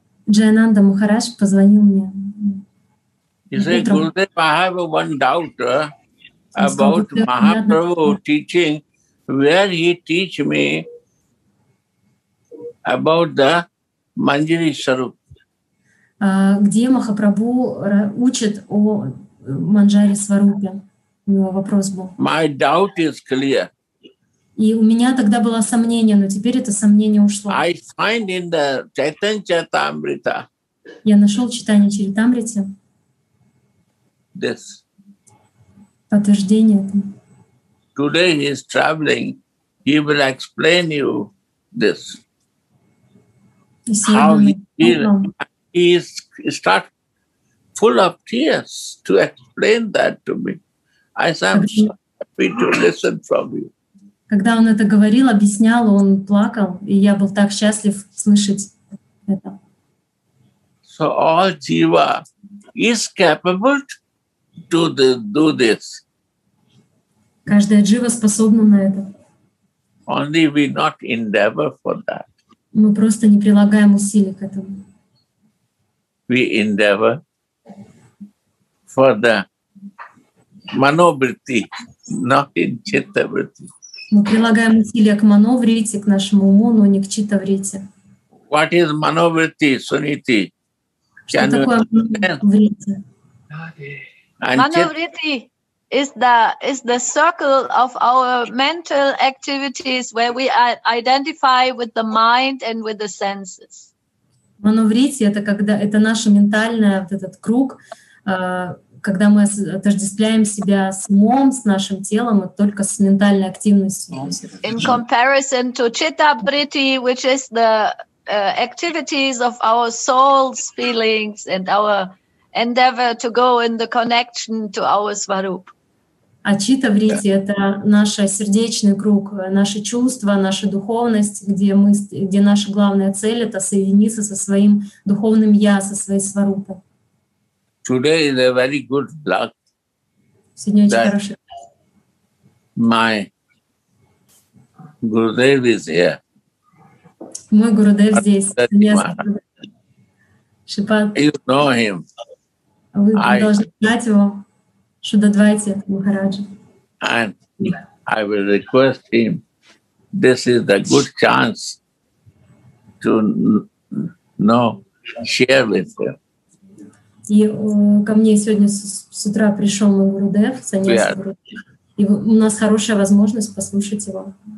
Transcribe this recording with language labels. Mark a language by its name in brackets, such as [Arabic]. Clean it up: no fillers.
[Russian] Джайананда Махарадж позвонил мне. [English] He said, Gurudev, I have one doubt about Mahaprabhu teaching, where he teach me about the Manjari Sarup. [Russian] Где Махапрабху учит о Манджари Сварупе? У него вопрос был. [English] My doubt is clear. [Russian] И у меня тогда было сомнение, но теперь это сомнение ушло. [English] I find in the Chaitanya Charitamrita. [Russian] Я нашел Чайтанья Чаритамрите. [English] This. [Russian] Подтверждение. [English] Today he is traveling. He will explain you this. How he start full of tears to explain that to me. I am so happy to listen from you. [Russian] Когда он это говорил, объяснял, он плакал, и я был так счастлив слышать это. [English] So all jiva is capable to do this. [Russian] Каждая джива способна на это. [English] Only we not endeavor for that. [Russian] Мы просто не прилагаем усилий к этому. [English] We endeavor for the manovritti, not in chittavritti. [Russian] Мы прилагаем усилия к мановритти, к нашему уму, но не к читтавритти. [English] What is manovritti, Suniti? [Russian] Что can такое мановритти? [English] Мановритти is the circle of our mental activities where we identify with the mind and with the senses. [Russian] Мановритти — это когда это наша ментальная вот этот круг, когда мы отождествляем себя с умом, с нашим телом, а только с ментальной активностью. [English] In comparison to citta vritti, which is the activities of our soul's feelings and our endeavor to go in the connection to our Swarup. [Russian] А читта вритти — это наш сердечный круг, наши чувства, наша духовность, где мы, где наша главная цель — это соединиться со своим духовным я, со своей сварупой. [English] Today is a very good luck. [Russian] Сегодня очень хорошая. [English] My Gurudev is here. [Russian] Мой Гурудев здесь. Шипат. [English] You know him. [Russian] Вы должны знать его. Шудадвайте Махараджа. [English] And I will request him. This is a good chance to know, share with him. [Russian] И ко мне сегодня с утра пришел мой Гурудев, саньяси Гурудев. И у нас хорошая возможность послушать его.